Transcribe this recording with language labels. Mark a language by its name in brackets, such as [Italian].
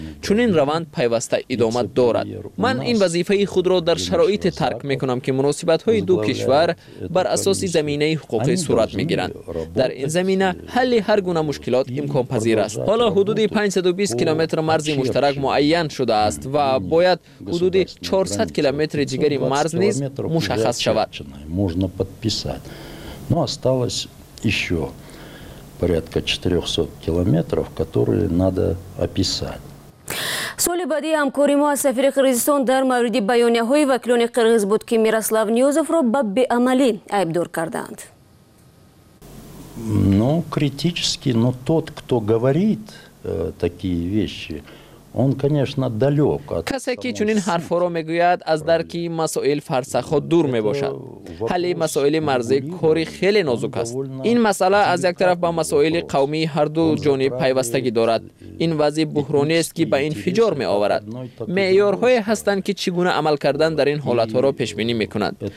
[Tajik] Чунин раванд пайваста идома дорад. Ман ин вазифаи худро дар шароите тарк мекунам, ки муносибатҳои ду кишвар бар асоси заминаи ҳуқуқӣ сурат мегиранд. Дар ин замина ҳалли ҳар гуна мушкилот имконпазир аст. Ҳоло ҳудуди 520 километр марзи муштарак муайян шудааст ва бояд ҳудуди 400 километри ҷигари марз низ мушаххас шавад. [Russian] Можна подписат. Ну осталось ещё порядка 400 километров, которые надо описать. [Tajik] Соли баъди ҳамкори мо аз сафири Қирғизистон дар мавриди баёнияҳои вакилони Қирғиз буд, ки Мирослав Ниёзовро ба беамалӣ айбдор карданд. [Russian] Ну, критически, но тот, кто говорит такие вещи, он, конечно, далёк от. [Tajik] Касе ки чунин ҳарфҳоро мегӯяд, аз дарки масоил фарсахҳо дур мебошад. Ҳалли масоили марзӣ кори хеле нозук аст. Ин масъала аз як тараф ба масоили қавмии ҳарду ҷониб пайвастагӣ дорад. Ин вазъи буҳрониест, ки ба инфиҷор меоварад. Меъёрҳое ҳастанд, ки чӣ гуна амал кардан дар ин ҳолатҳоро пешбинӣ мекунад.